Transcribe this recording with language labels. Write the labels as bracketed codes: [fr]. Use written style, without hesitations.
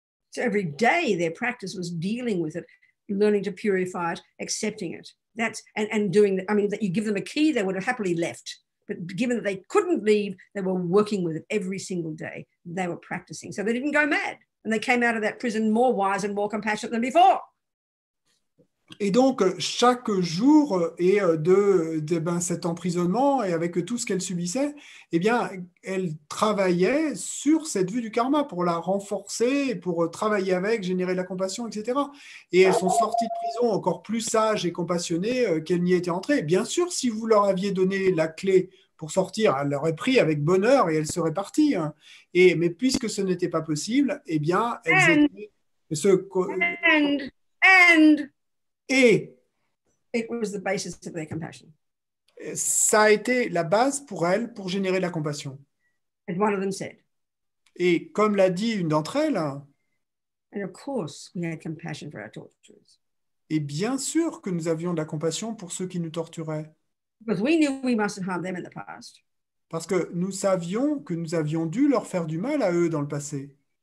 [en] So every day, their practice was dealing with it, learning to purify it, accepting it. That's and doing. The, I mean, that you give them a key, they would have happily left. But given that they couldn't leave, they were working with it every single day. They were practicing. So they didn't go mad. And they came out of that prison more wise and more compassionate than before. [fr] Et donc, chaque jour et de ben, cet emprisonnement et avec tout ce qu'elle subissait, eh bien, elle travaillait sur cette vue du karma pour la renforcer, pour travailler avec, générer la compassion, etc. Et elles sont sorties de prison encore plus sages et compassionnées qu'elles n'y étaient entrées. Bien sûr, si vous leur aviez donné la clé pour sortir, elles l'auraient pris avec bonheur et elles seraient parties. Hein. Et, mais puisque ce n'était pas possible, eh bien, elles étaient... [en] It was the basis of their compassion. [fr] Ça a été la base pour elle pour générer de la compassion. [en] And one of them said. [fr] Et comme l'a dit une d'entre elles. [en] And of course we had compassion for our torturers. [fr] Et bien sûr que nous avions de la compassion pour ceux qui nous torturaient. [en] Because we knew we must have harmed them in the past. [fr] Parce que nous savions que nous avions dû leur faire du mal à eux dans le passé.